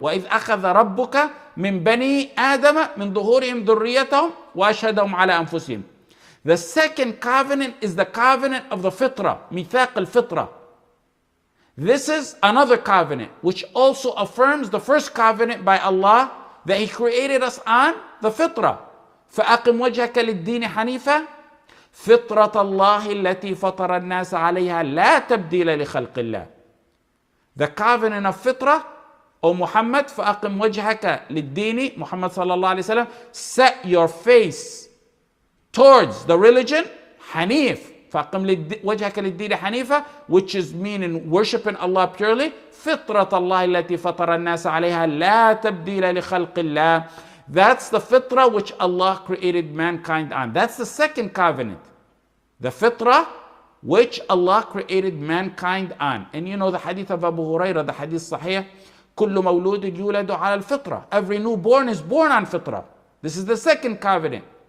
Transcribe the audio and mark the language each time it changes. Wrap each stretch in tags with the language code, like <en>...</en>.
<ar>وَإِذْ أَخَذَ رَبُّكَ مِنْ بَنِي آدَمَ مِنْ ظُهُورِهِمْ ذُرِّيَّتَهُمْ وَأَشْهَدَهُمْ عَلَى أَنفُسِهِمْ.</ar> <en>The second covenant is the covenant of the fitrah,</en> <ar>ميثاق الفطرة.</ar> <en>This is another covenant which also affirms the first covenant by Allah, that he created us on the fitrah.</en> <ar>فَأَقِمْ وَجْهَكَ لِلدِّينِ حَنِيفًا فِطْرَةَ اللَّهِ الَّتِي فَطَرَ النَّاسَ عَلَيْهَا لَا تَبْدِيلَ لِخَلْقِ اللَّهِ.</ar> <en>The covenant of fitrah, O Muhammad,</en> <ar>فَأَقِمْ وَجْهَكَ لِلدِّينِ,</ar> <en>Muhammad sallallahu alayhi wa sallam, set your face towards the religion,</en> <ar>حَنِيف, فَأَقِمْ وَجْهَكَ لِلدِّينِ حَنِيفًا,</ar> <en>which is meaning worshiping Allah purely,</en> <ar>فِطْرَةَ اللَّهِ الَّتِي فَطَرَ النَّاسَ عَلَيْهَا لَا تَبْدِيلَ لِخَلْقِ اللَّهِ.</ar> <en>That's the fitrah which Allah created mankind on. That's the second covenant. The fitrah which Allah created mankind on. And you know the hadith of Abu Hurairah, the hadith sahih,</en> <ar>كُلُّ مَوْلُودٍ يُولَدُ عَلَى الْفِطْرَةِ.</ar> <en>Every newborn is born on fitrah. This is the second covenant.</en>